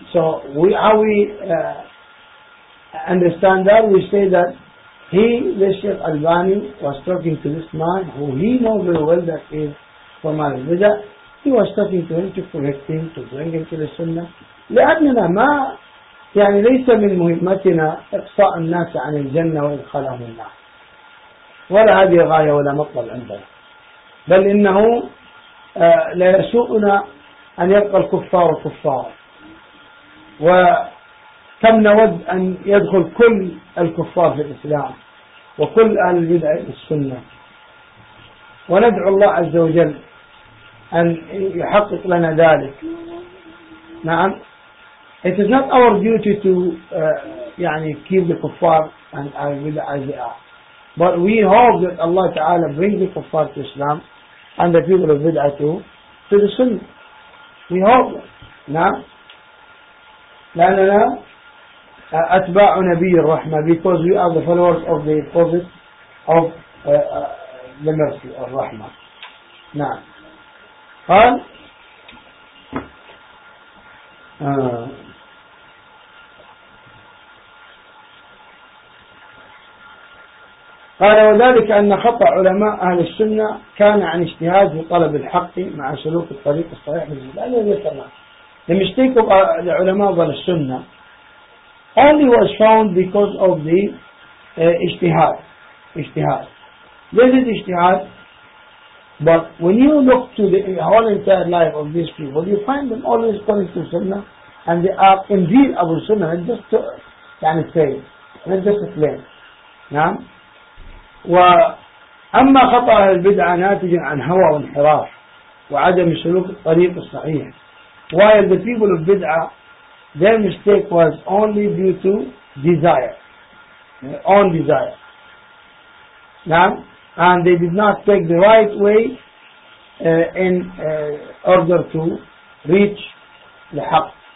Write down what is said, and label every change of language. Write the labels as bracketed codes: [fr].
[en] So we how we understand that we say that he, the Sheikh Albani, was talking to this man who he knows very well that is from Al-Bid'ah. He was talking to him to correct him, to bring him to the Sunnah. [ar] لأننا ما يعني ليس من مهمتنا إقصاء الناس عن الجنة وإدخالهم النار، ولا هذه غاية ولا مطلب عندنا، بل إنه لا يسوءنا أن يبقى الكفار كفار، وكم نود أن يدخل كل الكفار في الإسلام وكل أهل البدع السنة، وندعو الله عز وجل أن يحقق لنا ذلك. نعم. [en] It is not our duty to keep the kuffar and our bid'ah as they are, but we hope that Allah Ta'ala bring the kuffar to Islam and the people of bid'ah to the sunnah. We hope. نعم. [ar] لأننا أتباع نبي الرحمة, [en] because we are the followers of the prophet of the mercy, of rahmah. [ar] نعم. قال قال وذلك أن خطأ علماء أهل السنة كان عن اجتهاد وطلب الحق مع سلوك الطريق الصحيح من الجلال والسماء. [en] The mistake of the ulama of the sunnah only was found because of the ijtihad. This is ijtihad, but when you look to the whole entire life of these people, you find them always coming to sunnah, and they are indeed Abu Sunnah, and just to kind of say, not just to claim. [ar] نعم. وأما خطأ البدعة ناتج عن هوى وانحراف وعدم سلوك الطريق الصحيح. [en] While the people of Bid'ah, their mistake was only due to desire, own desire. And they did not take the right way in order to reach the haqq.